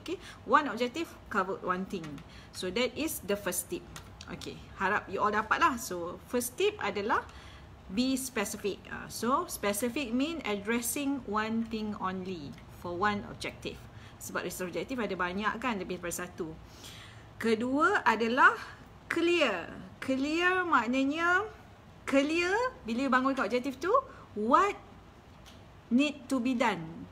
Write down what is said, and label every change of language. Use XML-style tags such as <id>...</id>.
<en>Okay, one objektif, cover one thing. So that is the first tip. Okay,</en> <ms>harap you all dapat lah.</ms> <en>So first tip</en> <ms>adalah</ms> <en>be specific. So specific mean addressing one thing only for one objective.</en> <ms>Sebab research objective ada banyak kan, lebih daripada satu. Kedua adalah clear.</ms> <en>Clear</en> <ms>maknanya</ms> <en>clear</en> <ms>bila you bangun kat objektif tu,</ms> <en>what need to be done.</en>